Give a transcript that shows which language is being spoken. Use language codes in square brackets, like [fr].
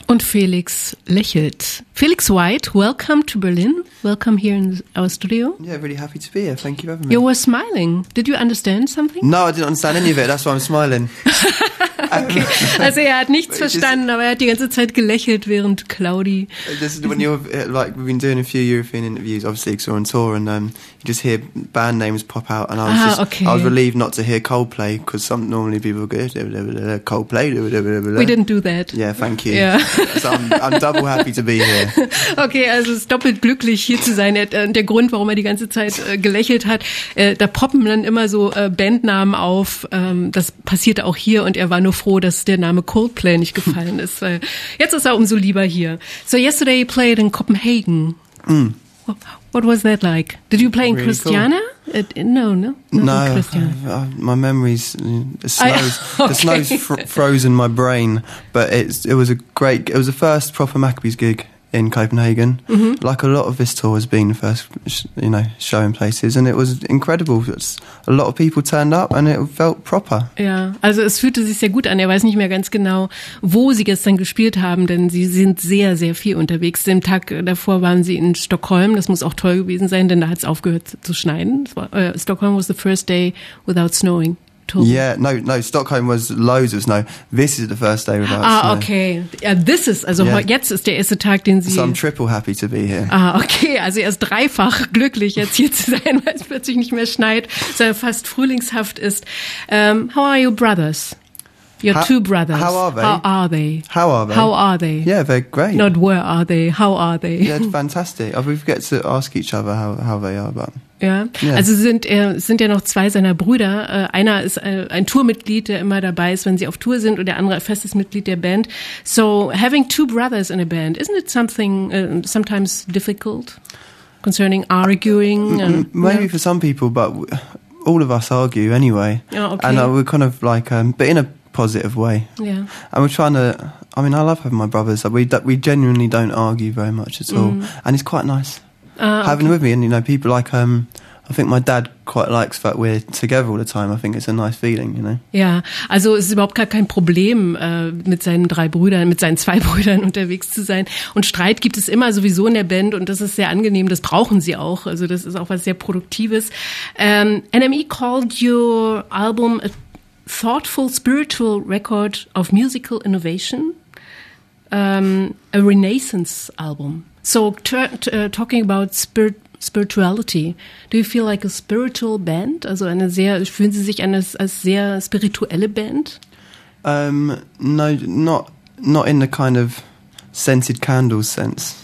[de] Und Felix lächelt. [en] Felix White, welcome to Berlin. Welcome here in our studio. Yeah, really happy to be here. Thank you for having me. You were smiling. Did you understand something? No, I didn't understand any of it. That's why I'm smiling. Okay. [de] Also er hat nichts verstanden, aber er hat die ganze Zeit gelächelt, während Claudi... [en] This is when you're, like, we've been doing a few European interviews, obviously, because we're on tour, and you just hear band names pop out, and I was relieved not to hear Coldplay, because some normally people go, Coldplay, We didn't do that. Yeah, thank you. Yeah. So I'm double happy to be here. [de] Okay, also es ist doppelt glücklich, hier zu sein. Der Grund, warum er die ganze Zeit gelächelt hat, da poppen dann immer so Bandnamen auf, das passiert auch hier, und er war nur froh, dass der Name Coldplay nicht gefallen ist. Jetzt ist er umso lieber hier. [en] So yesterday you played in Copenhagen. Mm. What was that like? Did you play really in Christiania? Cool. No, in Christiania. My memories, the snow's frozen my brain, but it was the first proper Maccabees gig in Copenhagen. Mm-hmm. Like a lot of this tour has been the first, show in places. And it was incredible. A lot of people turned up and it felt proper. [de] Ja, also es fühlte sich sehr gut an. Er weiß nicht mehr ganz genau, wo sie gestern gespielt haben, denn sie sind sehr, sehr viel unterwegs. Den Tag davor waren sie in Stockholm. Das muss auch toll gewesen sein, denn da hat es aufgehört zu schneien. [en] Stockholm was the first day without snowing. Yeah, no, Stockholm was loads of snow. This is the first day without snow. [de] Ah, okay. Jetzt ist der erste Tag, den Sie... [en] So I'm triple happy to be here. [de] Ah, okay, also er ist dreifach glücklich, jetzt hier zu sein, weil es plötzlich nicht mehr schneit, sondern fast frühlingshaft ist. [en] How are your brothers? Your two brothers. How are they? Yeah, they're great. Not where are they, how are they? Yeah, fantastic. We forget to ask each other how they are, but... [de] Ja, also sind ja noch zwei seiner Brüder. Einer ist ein Tourmitglied, der immer dabei ist, wenn sie auf Tour sind, und der andere ein festes Mitglied der Band. [en] So, having two brothers in a band, isn't it something sometimes difficult concerning arguing? Maybe for some people, but all of us argue anyway. Oh, okay. And we're kind of like, but in a positive way. Yeah. And we're trying to... I mean, I love having my brothers. We genuinely don't argue very much at all, and it's quite nice. Having them with me, and people like, I think my dad quite likes that we're together all the time. I think it's a nice feeling, [de] Ja, also es ist überhaupt gar kein Problem, mit seinen zwei Brüdern unterwegs zu sein. Und Streit gibt es immer sowieso in der Band, und das ist sehr angenehm, das brauchen sie auch. Also das ist auch was sehr Produktives. [en] NME called your album a thoughtful, spiritual record of musical innovation, a renaissance album. So, talking about spirituality, do you feel like a spiritual band? [de] Also, fühlen Sie sich als sehr spirituelle Band? [en] No, not in the kind of scented candles sense.